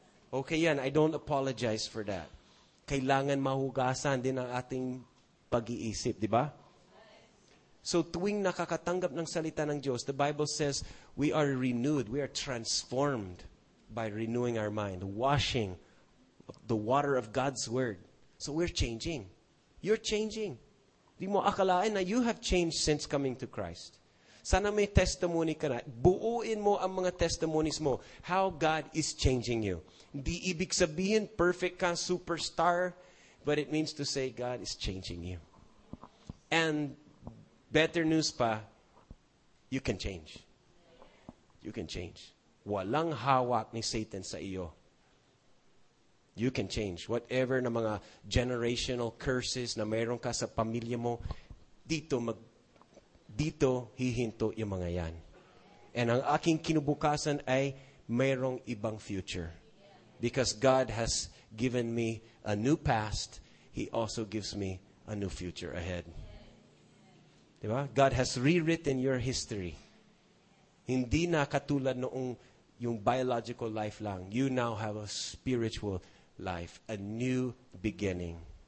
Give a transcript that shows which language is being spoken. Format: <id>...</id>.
<en>Okay yan, I don't apologize for that.</en> <tl>Kailangan mahugasan din ang ating pag-iisip, di ba?</tl> <en>So</en> <tl>tuwing nakakatanggap ng salita ng Diyos,</tl> <en>the Bible says, we are renewed, we are transformed by renewing our mind, washing the water of God's Word. So we're changing. You're changing.</en> <tl>Di mo akalain na</tl> <en>you have changed since coming to Christ.</en> <tl>Sana may testimony ka na. Buuin mo ang mga testimonies mo,</tl> <en>how God is changing you.</en> <tl>Di ibig sabihin perfect ka, superstar,</tl> <en>but it means to say God is changing you. And better news pa, you can change. You can change.</en> <tl>Walang hawak ni Satan sa iyo.</tl> <en>You can change.</en> <tl>Whatever na mga generational curses na meron ka sa pamilya mo, dito hihinto yung mga yan. And ang aking kinubukasan ay merong ibang future.</tl> <en>Because God has given me a new past, He also gives me a new future ahead.</en> <tl>Diba?</tl> <en>God has rewritten your history.</en> <tl>Hindi na katulad noong yung biological life lang.</tl> <en>You now have a spiritual life, a new beginning.</en>